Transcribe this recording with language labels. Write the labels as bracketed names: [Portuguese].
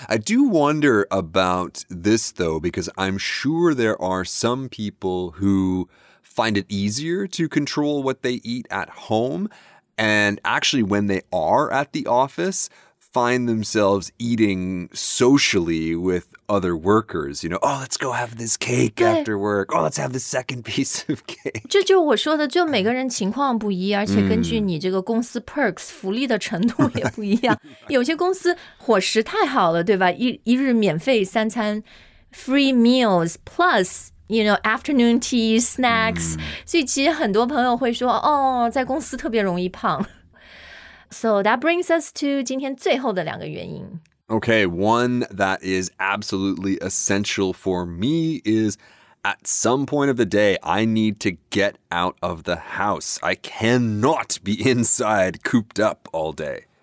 [English] I do wonder about this, though, because I'm sure there are some people who find it easier to control what they eat at home. And actually, when they are at the office, find themselves eating socially with other workers. You know, oh, let's go have this cake after work. Oh, let's have the second piece of cake. [Chinese] 这就我说的，就每个人情况不一，而且根据你这个公司 perks 福利的程度也不一样。有些公司伙食太好了，对吧？一日免费三餐 ， [English] free meals plus。 You know, afternoon tea, snacks. [Chinese] So, 其实很多朋友会说，哦，在公司特别容易胖。 [English] So, that brings us to [Chinese] 今天最后的两个原因。 [English] Okay, one that is absolutely essential for me is at some point of the day, I need to get out of the house. I cannot be inside cooped up all day.